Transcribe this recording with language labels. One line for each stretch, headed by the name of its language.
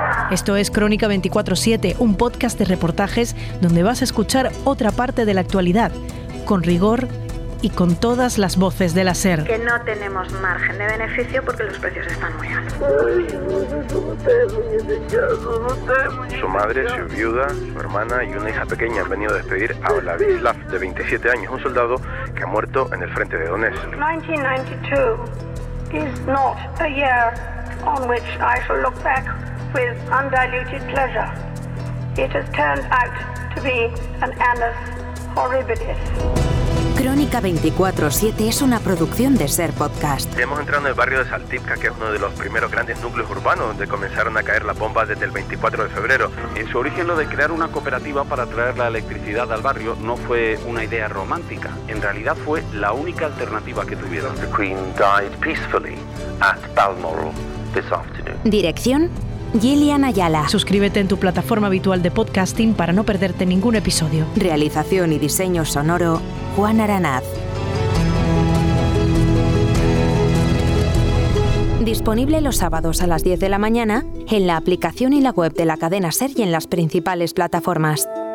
Spanish: Esto es Crónica 24/7, un podcast de reportajes donde vas a escuchar otra parte de la actualidad, con rigor y con todas las voces de la SER. Que no tenemos margen de beneficio porque los precios están muy altos. Su madre, su viuda, su hermana y una hija pequeña han venido a despedir a Vladislav, de 27 años, un soldado que ha muerto en el frente de Donetsk.
English: 1992 is not a year on which I shall look back with undiluted pleasure. It has turned out to be an annus horribilis.
Spanish: Crónica 24/7 es una producción de SER Podcast. Hemos entrado en el barrio de Saltivka, que es uno de los primeros grandes núcleos urbanos donde comenzaron a caer las bombas desde el 24 de febrero. En su origen, lo de crear una cooperativa para traer la electricidad al barrio no fue una idea romántica. En realidad fue la única alternativa que tuvieron.
English: The Queen died peacefully at Balmoral this afternoon.
Spanish: Dirección, Gillian Ayala. Suscríbete en tu plataforma habitual de podcasting para no perderte ningún episodio. Realización y diseño sonoro, Juan Aranaz. Disponible los sábados a las 10 de la mañana en la aplicación y la web de la Cadena SER y en las principales plataformas.